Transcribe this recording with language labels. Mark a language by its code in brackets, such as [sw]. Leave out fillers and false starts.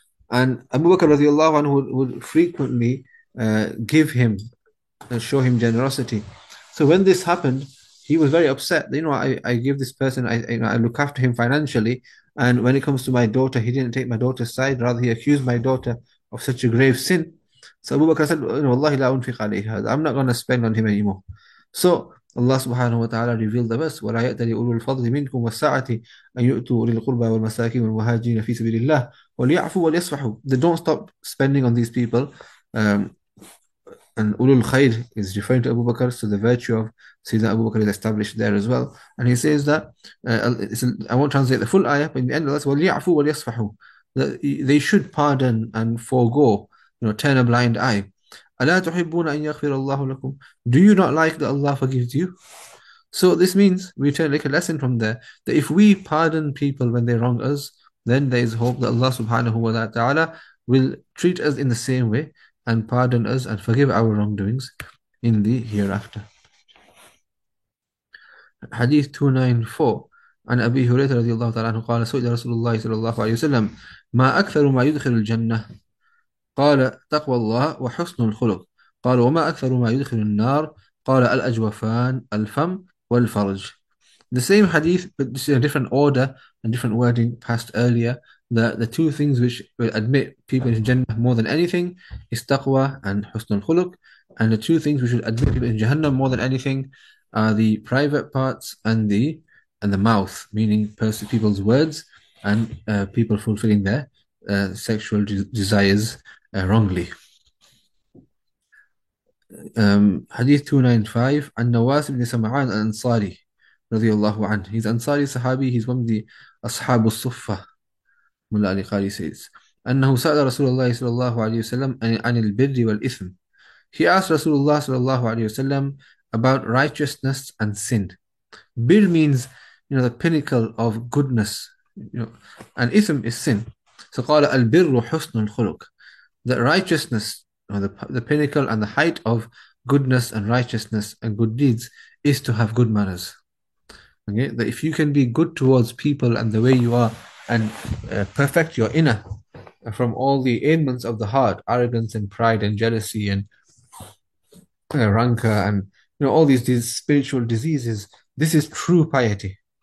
[en] And Abu Bakr radiallahu anhu would frequently give him and show him generosity. So when this happened, he was very upset. You know, I give this person, I look after him financially, and when it comes to my daughter, he didn't take my daughter's side. Rather, he accused my daughter of such a grave sin. So Abu Bakr said, [ar] "Wallahi la unfiq alayha. [en] I'm not going to spend on him anymore." [ar] So Allah subhanahu wa ta'ala revealed the verse, وَلَا يَأْتَ لِأُولُو الْفَضْلِ مِنْكُمْ وَالسَّعَةِ أَنْ يُؤْتُوا أُولِي الْقُرْبَى وَالْمَسَاكِينَ وَالْمُهَاجِرِينَ فِي سَبِيلِ اللَّهِ وَلْيَعْفُوا وَلْيَصْفَحُوا. [en] They don't stop spending on these people. And Ulul Khair is referring to Abu Bakr, so the virtue of Sayyidina Abu Bakr is established there as well. And he says that, I won't translate the full ayah, but in the end of that, [ar] وَلْيَعْفُوا وَلْيَصْفَحُوا. [en] They should pardon and forego, you know, turn a blind eye. [ar] أَلَا تُحِبُّونَ أَن يَغْفِرَ اللَّهُ لَكُمْ. [en] Do you not like that Allah forgives you? So this means, we take like a lesson from there, that if we pardon people when they wrong us, then there is hope that Allah subhanahu wa ta'ala will treat us in the same way and pardon us and forgive our wrongdoings in the hereafter. Hadith 294. [ar] عن أبي هريرة رضي الله تعالى عنه قال سئل رسول الله صلى الله عليه وسلم ما أكثر ما يدخل الجنة؟ قال تقوى الله وحسن الخلق. قال وما أكثر ما يدخل النار؟ قال الأجوفان الفم والفرج. [en] The same hadith, but this is a different order and different wording passed earlier, that the two things which will admit people into Jannah more than anything is taqwa and husnul khuluq, and the two things which will admit people in Jahannam more than anything are the private parts and the mouth, meaning people's words and people fulfilling their sexual desires wrongly. Hadith 295, An Nawas ibn Sam'an al-Ansari radiallahu anhu. He's Ansari Sahabi, he's one of the Ashab al-Suffah, Mullah Ali Qari says. [ar] أَنَّهُ سَأَلَ رَسُولَ اللَّهِ صَلَى اللَّهُ عَلَيْهِ وَسَلَّمَ عَنِ الْبِرِّ وَالْإِثْمِ. [en] He asked Rasulullah [ar] صلى الله عليه وسلم [en] about righteousness and sin. Bir means, you know, the pinnacle of goodness, you know, and ithm is sin. So [ar] قَالَ الْبِرُّ حُسْنُ الْخُلُقِ. [en] That righteousness, or the pinnacle and the height of goodness and righteousness and good deeds, is to have good manners. Okay, that if you can be good towards people and the way you are, and perfect your inner from all the ailments of the heart, arrogance and pride and jealousy and rancor and, you know, all these spiritual diseases, this is true piety.